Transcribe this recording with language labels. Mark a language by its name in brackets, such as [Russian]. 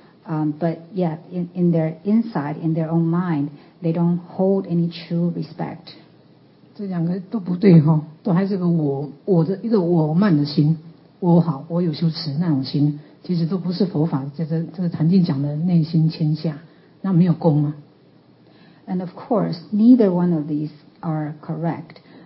[English] But yet, in their inside, in their own mind, they don't hold any true respect. [Chinese] 这两个都不对哈，都还是个我的一个我慢的心，我好，我有羞耻那种心，其实都不是佛法。这个禅定讲的内心谦下，那没有功啊。 [English] And of course, neither one of these are correct.